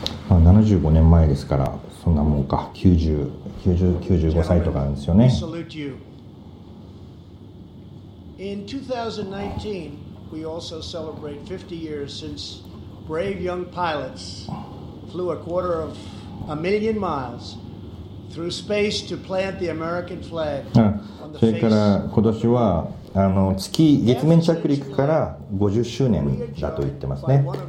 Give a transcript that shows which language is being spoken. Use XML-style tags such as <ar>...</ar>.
<ja>75年前ですから、そんなもんか、90、95歳とかなんですよね。</ja> <en>We salute you. In 2019, we also celebrate 50 years since brave young pilots flew a quarter of a million miles through space to plant the American flag.</en> <ja>それから今年は月面着陸から50周年だと言ってますね。</ja>